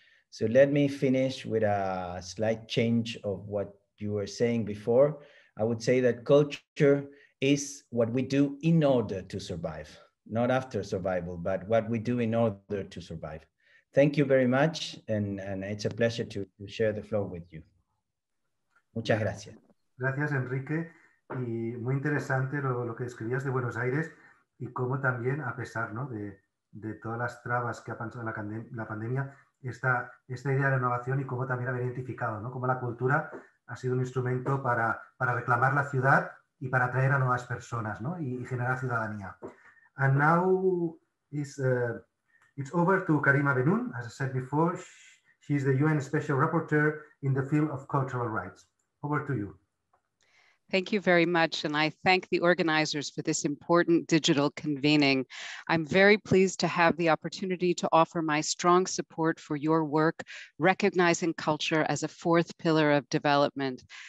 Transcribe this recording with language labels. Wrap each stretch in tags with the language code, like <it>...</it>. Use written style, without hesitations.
<en>So let me finish with a slight change of what you were saying before. I would say that culture is what we do in order to survive, not after survival, but what we do in order to survive. Thank you very much. And it's a pleasure to share the floor with you.</en> <es>Muchas gracias. Gracias, Enrique. Y muy interesante lo que describías de Buenos Aires y cómo también, a pesar, ¿no?, de todas las trabas que ha pasado la pandemia, esta idea de innovación y cómo también haber identificado, ¿no?, cómo la cultura ha sido un instrumento para reclamar la ciudad y para atraer a nuevas personas, ¿no?, y generar ciudadanía.</es> <en>And now it's over to Karima Benoun. As I said before, she is the UN Special Rapporteur in the field of cultural rights. Over to you. Thank you very much, and I thank the organizers for this important digital convening. I'm very pleased to have the opportunity to offer my strong support for your work, recognizing culture as a fourth pillar of development.</en>